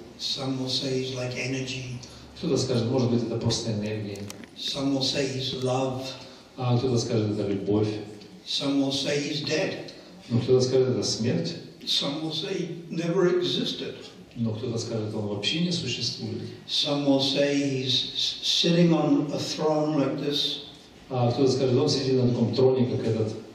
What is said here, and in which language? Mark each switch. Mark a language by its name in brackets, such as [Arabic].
[English] Some will say he's like energy. [Russian] Кто-то скажет, может быть, это просто энергия. [English] Some will say he's love. [Russian] А кто-то скажет, это любовь. [English] Some will say he's dead. [Russian] Но кто-то скажет, это смерть. [English] Some will say he never existed. [Russian] Но кто-то скажет, он вообще не существует. [English] Some will say he's sitting on a throne like this. [Russian] А кто-то скажет, он сидит на таком троне, как этот.